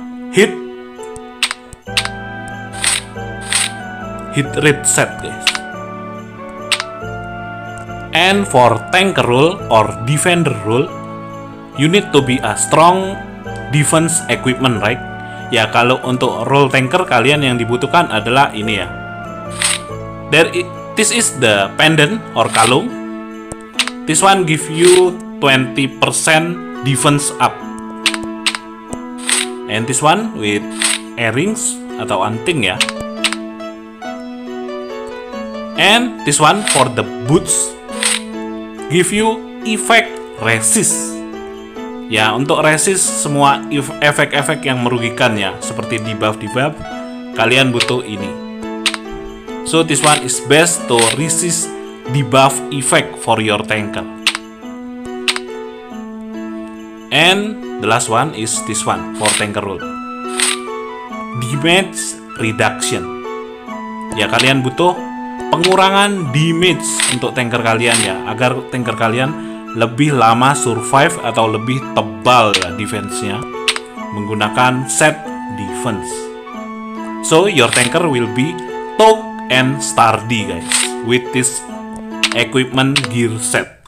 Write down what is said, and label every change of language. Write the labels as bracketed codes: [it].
[en] Hit rate set, guys. And for tank role or defender role, you need to be a strong defense equipment, right? [id] Ya, kalau untuk role tanker kalian yang dibutuhkan adalah ini ya. [en] This is the pendant or kalung. This one give you 20% defense up. And this one with earrings [id] atau anting ya. [en] And this one for the boots, give you effect resist. [id] Ya, untuk resist semua efek-efek yang merugikan ya, seperti debuff-debuff, kalian butuh ini. [en] So this one is best to resist debuff effect for your tanker. And the last one is this one for tanker rule. Damage reduction. [id] Ya, kalian butuh pengurangan damage untuk tanker kalian ya, agar tanker kalian lebih lama survive atau lebih tebal ya defense-nya menggunakan set defense. [en] So your tanker will be tough and sturdy guys with this equipment gear set.